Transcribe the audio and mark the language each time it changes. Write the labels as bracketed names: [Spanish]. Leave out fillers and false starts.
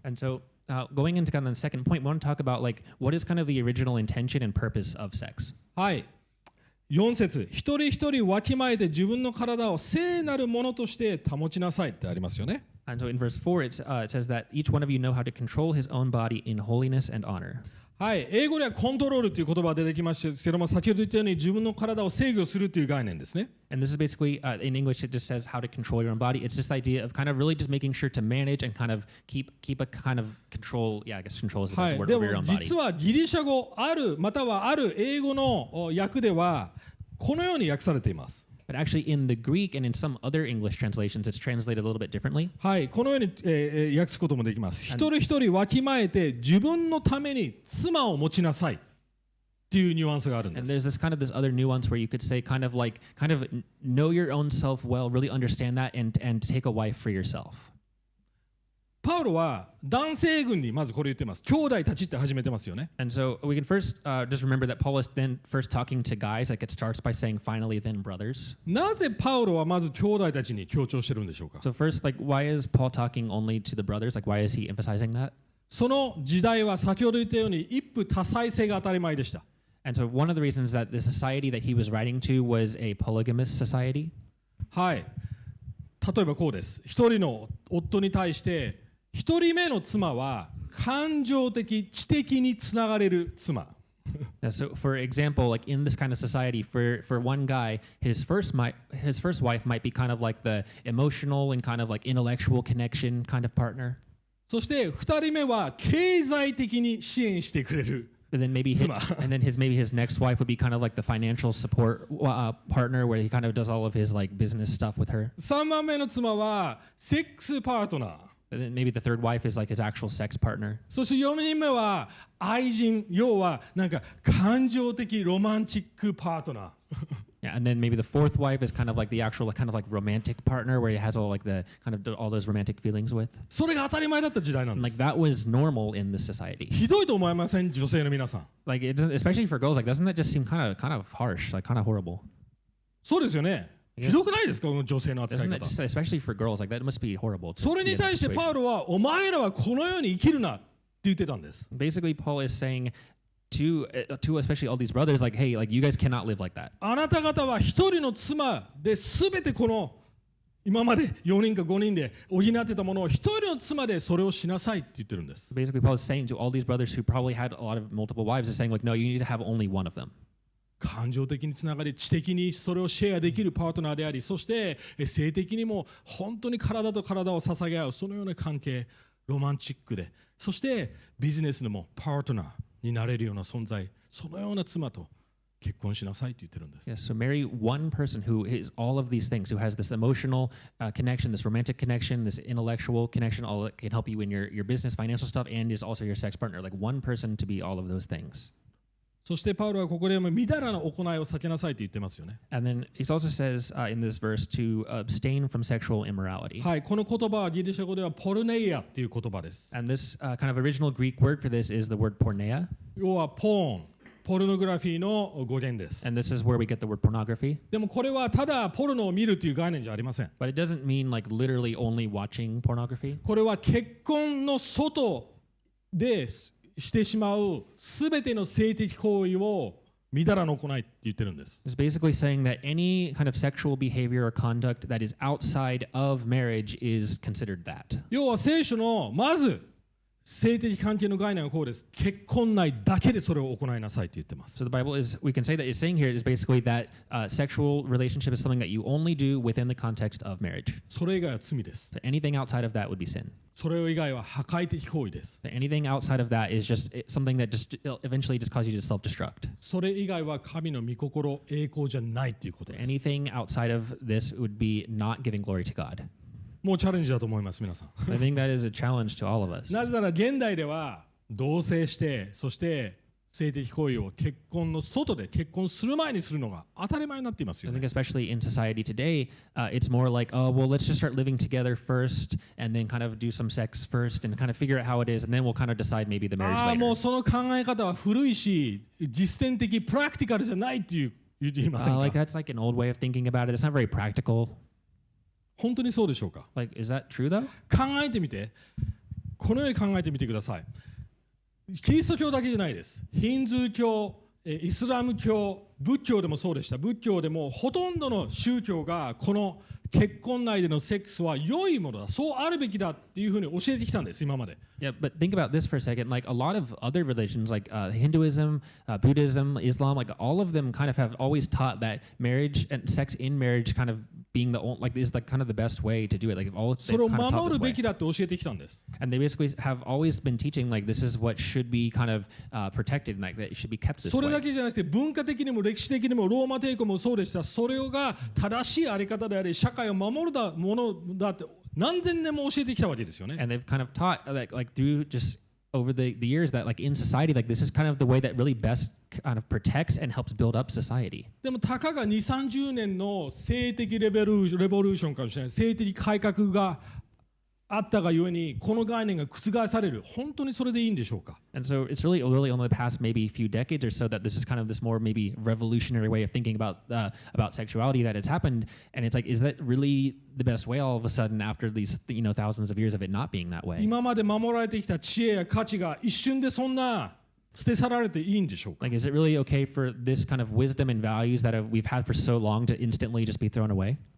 [English] And so,going into kind of the second point, we want to talk about like what is kind of the original intention and purpose of sex. [Japanese] はい。 4節、一人一人わきまえて自分の体を聖なるものとして保ちなさいってありますよね。 [English] And so in verse 4, it says that each one of you know how to control his own body in holiness and honor. [Japanese] はい。英語ではコントロールという言葉が出てきましたけども、先ほど言ったように自分の体を制御するという概念ですね。 [English] And this is basically, in English, it just says how to control your own body. It's this idea of kind of really just making sure to manage and kind of keep a kind of control, yeah, I guess control is the best word for your own body. [Japanese] はい。でも実はギリシャ語ある、またはある英語の訳では、このように訳されています。 [English] But actually, in the Greek and in some other English translations, it's translated a little bit differently. [Japanese] はい、このように訳すこともできます。一人一人わきまえて自分のために妻を持ちなさいっていうニュアンスがあるんです。 [English] And there's this kind of this other nuance where you could say kind of like kind of know your own self well, really understand that, and take a wife for yourself. [Japanese] パウロは男性群にまずこれ言ってます。兄弟たちって始めてますよね。 [English] And so we can first just remember that Paul is then first talking to guys. Like it starts by saying finally then brothers. [Japanese] なぜパウロはまず兄弟たちに強調してるんでしょうか [English] ？So first, like why is Paul talking only to the brothers? Like why is he emphasizing that? [Japanese] その時代は先ほど言ったように一夫多妻制が当たり前でした。 [English] And so one of the reasons that the society that he was writing to was a polygamous society. [Japanese] はい。例えばこうです。一人の夫に対して一人目の妻は感情的、知的につながれる妻。 [English] Yeah, so for example, like in this kind of society, for one guy, his first wife might be kind of like the emotional and kind of like intellectual connection kind of partner. [Japanese] そして二人目は経済的に支援してくれる妻。 [English] And then his next wife would be kind of like the financial support partner where he kind of does all of his like business stuff with her. [Japanese] 三番目の妻はセックスパートナー。 [English] And then maybe the third wife is like his actual sex partner. [Japanese] そして4人目は愛人、要はなんか感情的ロマンチックパートナー。 [English] Yeah, and then maybe the fourth wife is kind of like the actual kind of like romantic partner where he has all like the kind of all those romantic feelings with. [Japanese] それが当たり前だった時代なんです。 [English] Like that was normal in the society. [Japanese] ひどいと思いません？女性の皆さん。 [English] Like it especially for girls, like doesn't that just seem kind of harsh, like kind of horrible? [Japanese] そうですよね。ひどくないですか、この女性の扱い方。 [English] Just, especially for girls, like that must be horrible. [Japanese] それに対してパウロはお前らはこのように生きるなって言ってたんです。 [English] Basically, Paul is saying to especially all these brothers, like, hey, like you guys cannot live like that. [Japanese] あなた方は一人の妻で全てこの今まで4人か5人で補ってたものを一人の妻でそれをしなさいって言ってるんです。 [English] Basically, Paul is saying to all these brothers who probably had a lot of multiple wives, is saying like, no, you need to have only one of them. [Japanese] 感情的につながり、知的にそれをシェアできるパートナーであり、そして性的にも本当に体と体を捧げ合う、そのような関係、ロマンチックで、そしてビジネスのもパートナーになれるような存在、そのような妻と結婚しなさいと言ってるんです。 [English] Yes, so marry one person who is all of these things, who has this emotional connection, this romantic connection, this intellectual connection, all that can help you in your business, financial stuff, and is also your sex partner. Like one person to be all of those things. [Japanese] そしてパウロはここでもみだらな行いを避けなさいと言ってますよね。 [English] And then he also says in this verse to abstain from sexual immorality. [Japanese] はい、この言葉はギリシャ語ではポルネイアっていう言葉です。 [English] And this kind of original Greek word for this is the word porneia. [Japanese] 要はポーン。ポルノグラフィーの語源です。 [English] And this is where we get the word pornography. [Japanese] でもこれはただポルノを見るという概念じゃありません。 [English] But it doesn't mean like literally only watching pornography. [Japanese] これは結婚の外でしてしまうすべての性的行為をみだらの行いって言ってるんです。 [English] It's basically saying that any kind of sexual behavior or conduct that is outside of marriage is considered that. [Japanese] 要は聖書のまず性的関係の概念はこうです。結婚内だけでそれを行いなさいと言ってます。 [English] So the Bible is, we can say that it's saying here is basically that sexual relationship is something that you only do within the context of marriage. [Japanese] それ以外は罪です。 [English] So anything outside of that would be sin. [Japanese] それ以外は破壊的行為です。 [English] So anything outside of that is just something that just eventually just causes you to self-destruct. [Japanese] それ以外は神の御心栄光じゃないということです。 [English] Anything outside of this would be not giving glory to God. [Japanese] もうチャレンジだと思います皆さん。 [English] I think that is a challenge to all of us. [Japanese] なぜなら現代では同棲して、そして性的行為を結婚の外で結婚する前にするのが当たり前になっていますよね。 [English] I think especially in society today, it's more like, let's just start living together first and then kind of do some sex first and kind of figure out how it is and then we'll kind of decide maybe the marriage later. [Japanese] もうその考え方は古いし、実践的、プラクティカルじゃないっていう言っていませんか。 [English] Like that's like an old way of thinking about it. It's not very practical. [Japanese] 本当にそうでしょうか? [English] Like, is that true though? [Japanese] 考えてみて、このように考えてみてください。キリスト教だけじゃないです。ヒンズー教、イスラム教、仏教でもそうでした。仏教でもほとんどの宗教がこの結婚内でのセックスは良いものだ、そうあるべきだっていうふうに教えてきたんです、今まで。 [English] Yeah, but think about this for a second. Like a lot of other religions, like Hinduism, Buddhism, Islam, like all of them kind of have always taught that marriage and sex in marriage kind of being the only, like is the kind of the best way to do it. Like if all they've kind of taught this way. [Japanese] それを守るべきだって教えてきたんです。 [English] And they basically have always been teaching like this is what should be kind of protected, like that it should be kept this way. [Japanese] それだけじゃなくて文化的にも歴史的にもローマ帝国もそうでした。それが正しいあり方であり社会を守るものだって何千年も教えてきたわけですよね。 [English] And they've kind of taught like through just over the years that like in society like this is kind of the way that really best kind of protects and helps build up society. [Japanese] でもたかが2、30年の性的レボリューションかもしれない。性的改革があったがゆえにこの概念が覆される。本当にそれでいいんでしょうか? [English] And so it's really only in the past maybe a few decades or so that this is kind of this more maybe revolutionary way of thinking about sexuality that has happened. And it's like, is that really the best way all of a sudden after these you know thousands of years of it not being that way? [Japanese] 今まで守られてきた知恵や価値が一瞬でそんな捨て去られていいんでしょうか? [English] Like, is it really okay for this kind of wisdom and values that we've had for so long to instantly just be thrown away?